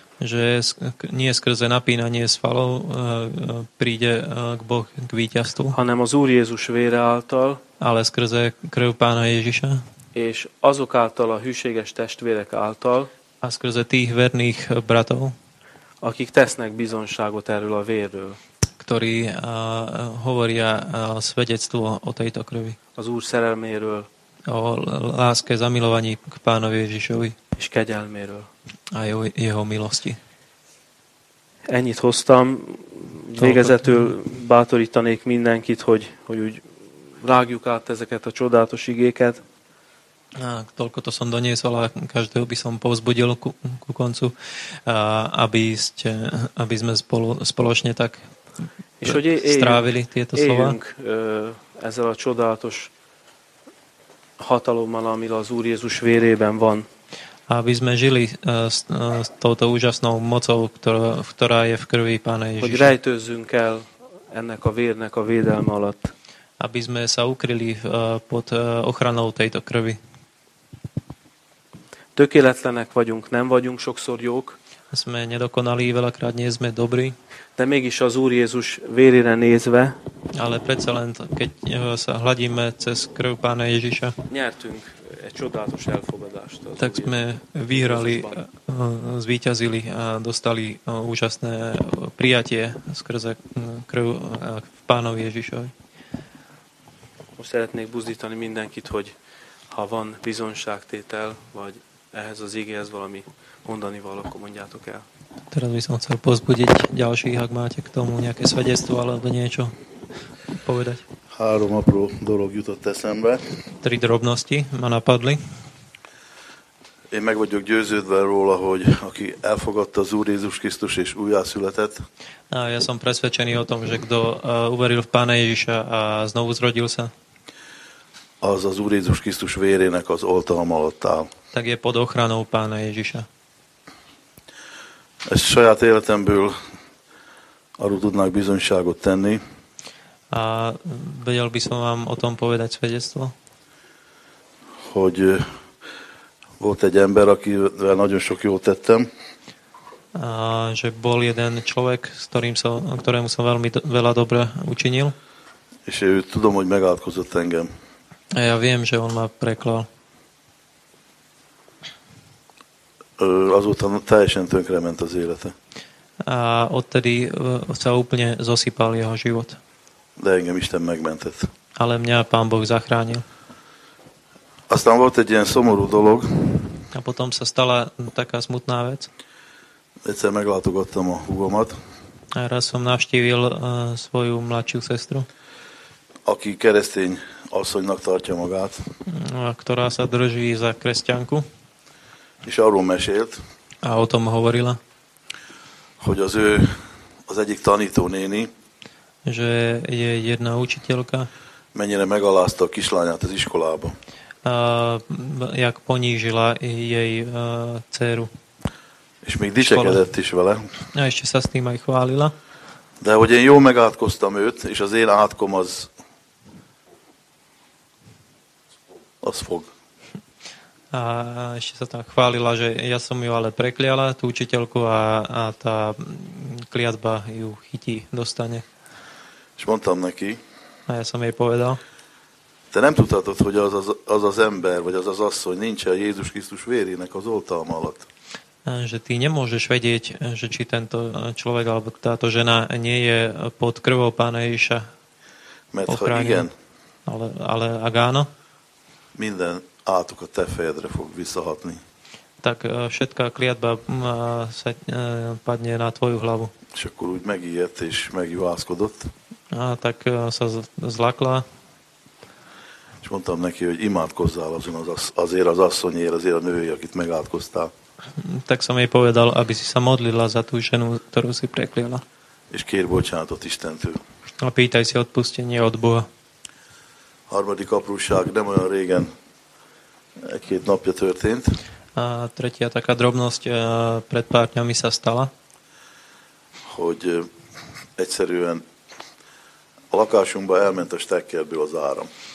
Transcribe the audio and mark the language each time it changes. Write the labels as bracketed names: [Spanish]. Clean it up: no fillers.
[Slovak] že nie skrze napínanie svalov príde k Boh k víťazstvu. [Hungarian] Hanem az Úr Jézus vére által, [Slovak] ale skrze krv Pána Ježiša. [Hungarian] És azok által a hűséges testvérek által, [Slovak] a skrze tých verných bratov, [Hungarian] akik tesznek bizonságot erről a vérről, [Slovak] ktorí hovoria svedectvo o tejto krvi, [Hungarian] az Úr szerelméről, [Slovak] o láske, zamilovaní k Pánovi Ježišovi, [Hungarian] és kegyelméről, [Slovak] a jeho milosti. [Hungarian] Ennyit hoztam, végezetül bátorítanék mindenkit, hogy úgy rágjuk át ezeket a csodálatos igéket. [Slovak] Toľko to som doniesol a každého by som povzbudil ku koncu, aby sme spoločne tak strávili tieto slova. [Hungarian] Éljünk ezzel a csodálatos hatalommal, ami az Úr Jézus vérében van. [Slovak] Aby sme žili s touto úžasnou mocou, ktorá je v krvi Pána Ježiša. [Hungarian] Hogy rejtőzzünk el ennek a vérnek a védelme alatt. [Slovak] Aby sme sa ukryli pod ochranou tejto krvi. [Hungarian] Tökéletlenek vagyunk, nem vagyunk sokszor jók. [Slovak] Sme nedokonalí, veľakrát nie sme dobrí. [Hungarian] De mégis az Úr Jézus vérére nézve. [Slovak] Ale predsa len, keď sa hľadíme cez krv Pána Ježiša. [Hungarian] Nyertünk egy csodálatos elfogadást. [Slovak] Tak sme vyhrali, zvíťazili a dostali úžasné prijatie skrze krv v Pánovi Ježišovi. [Hungarian] Most szeretnék buzdítani mindenkit, hogy ha van bizonságtétel, vagy ehhez az igéhez valami mondani való, akkor mondjátok el. [Slovak] Teraz by som chcel pozbudiť ďalších, ak máte k tomu nejaké svedectvo alebo niečo povedať. [Hungarian] Három apró dolog jutott eszembe. [Slovak] Tri drobnosti ma napadli. [Hungarian] Én meg vagyok győződve róla, hogy aki elfogadta az Úr Jézus Krisztus és újjászületett. [Slovak] Ja som presvedčený o tom, že kto uveril v Pána Ježiša a znovu zrodil sa, [Hungarian] az az Úr Jézus Krisztus vérének az oltalma alatt áll. [Slovak] Tak je pod ochranou Pána Ježiša. [Hungarian] Ezt saját életemből arról tudnák bizonyságot tenni. [Slovak] A vedel by som vám o tom povedať svedectvo? [Hungarian] Hogy volt egy ember, akivel nagyon sok jót tettem. [Slovak] A že bol jeden človek, ktorému som veľmi veľa dobre učinil. [Hungarian] És ő tudom, hogy megálkozott engem. [Slovak] A ja viem, že on ma preklal. [Hungarian] Azóta teljesen tönkre ment az élete. [Slovak] A odtedy sa úplne zosypal jeho život. [Hungarian] De engem Isten megmentett. [Slovak] Ale mňa Pán Boh zachránil. [Hungarian] Aztán volt egy ilyen szomorú dolog. [Slovak] A potom sa stala taká smutná vec. [Hungarian] Egyszer meglátogattam a húgomat. [Slovak] A raz som navštívil svoju mladšiu sestru. [Hungarian] Aki keresztény asszonynak tartja magát. [Slovak] A ktorá sa drží za kresťanku. [Hungarian] És arról mesélt. [Slovak] A o tom hovorila. [Hungarian] Hogy az ő az egyik tanítónéni. [Slovak] Že je jedna učiteľka. [Hungarian] Mennyire megalázta a kislányát az iskolába. [Slovak] A jak ponížila jej dceru. [Hungarian] És még dicsekedett is vele. [Slovak] A ešte sa s tým aj chválila. [Hungarian] De hogy én jól megátkoztam őt, és az én átkom az fog. [Slovak] A ešte sa tam chválila, že ja som ju ale prekliala, tú učiteľku, a tá kliatba ju chytí, dostane. [Hungarian] És mondtam neki. [Slovak] A ja som jej povedal. [Hungarian] Te nem tudhatod, hogy az ember, vagy az asszony nincs a Jézus Krisztus vérének az oltalma alatt. [Slovak] Že ty nemôžeš vedieť, že či tento človek alebo táto žena nie je pod krvou Pána Ježiša. [Hungarian] Mert ha igen. [Slovak] Ale ak áno. [Hungarian] Minden átok a te fejedre fog visszahatni. [Slovak] Tak všetká kliatba sa padne na tvoju hlavu. [Hungarian] És akkor úgy megijedt és megjuhászkodott. [Slovak] A tak sa zlakla. [Hungarian] És mondtam neki, hogy imádkozzál azon azért az asszonyért, azért a nőjé, akit megátkoztál. [Slovak] Tak som jej povedal, aby si sa modlila za tú ženu, ktorú si prekliala. [Hungarian] És kér bocsánatot Istentől. [Slovak] A pýtaj si odpustenie od Boha. [Hungarian] Harmadik apróság, nem olyan régen, egy-két napja történt. [Slovak] A tretia taká drobnosť pred pár dňami sa stala. [Hungarian] Hogy egyszerűen a lakásunkba elment a stekkerből az áram.